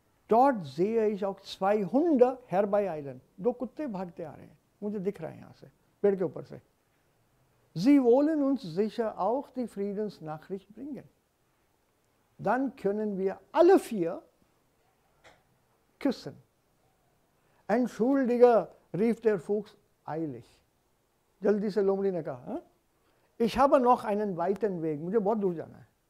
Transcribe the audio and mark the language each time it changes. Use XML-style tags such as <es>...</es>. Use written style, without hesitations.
<de>dort sehe ich auch zwei Hunde herbei eilen.</de> <hi>दो कुत्ते भागते आ रहे हैं, मुझे दिख रहा है यहाँ से पेड़ के ऊपर से.</hi> <de>Sie wollen uns sicher auch die Friedensnachricht bringen. Dann können wir alle vier küssen. Entschuldige, rief der Fuchs eilig.</de> <hi>जल्दी से लोमड़ी ने कहा,</hi> <de>ich habe noch einen weiten Weg,</de> <hi>मुझे बहुत दूर जाना है.</hi>